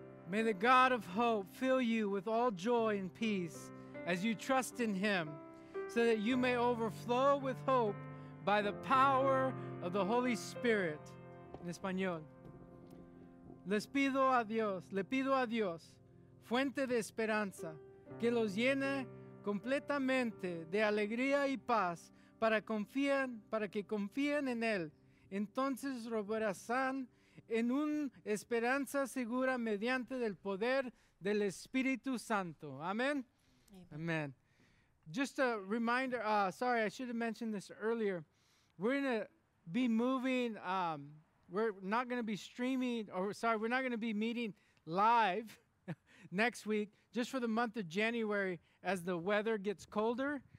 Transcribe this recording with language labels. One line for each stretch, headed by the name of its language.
English: May the God of hope fill you with all joy and peace as you trust in Him, so that you may overflow with hope by the power of the Holy Spirit.
Spanish: En español. Le pido a Dios, fuente de esperanza, que los llene completamente de alegría y paz para que confíen en Él. Entonces robarán en una esperanza segura mediante el poder del Espíritu Santo.
English: Amen. Amen. Just a reminder, sorry, I should have mentioned this earlier. We're going to be moving, we're not going to be meeting live next week, just for the month of January as the weather gets colder.